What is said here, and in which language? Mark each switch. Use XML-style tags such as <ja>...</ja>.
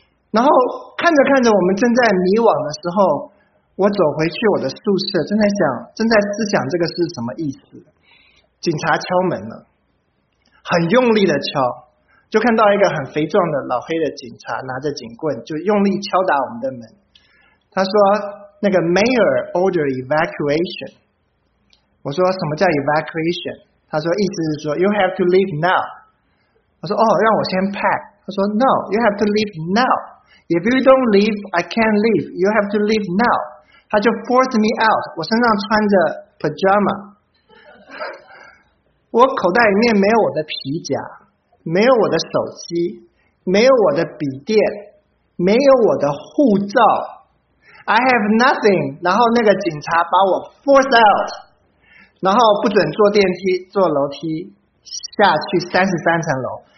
<zh>然后看着看着，我们正在迷惘的时候，我走回去我的宿舍，正在思想这个是什么意思。警察敲门了，很用力的敲。就看到一个很肥壮的老黑的警察拿着警棍，就用力敲打我们的门。他说：“那个</zh> <en>mayor order evacuation。”</en> <zh>我说：“什么叫 evacuation？” 他说：“意思是说</zh> <en>you have to leave now。”</en> <zh>我说：“哦，让我先 pack。” 他说</zh> <en>：“No, you have to leave now. If you don't leave, I can't leave. You have to leave now。”</en> <zh>他就</zh> <en>force me out。</en> <zh>我身上穿着</zh> <en>pajama，</en> <zh>我口袋里面没有我的皮夹，没有我的手机，没有我的笔电，没有我的护照。</zh> <en>I have nothing.</en> <zh>然后那个警察把我</zh> <en>force out.</en> <zh>然后不准坐电梯，坐楼梯下去33层楼。</zh>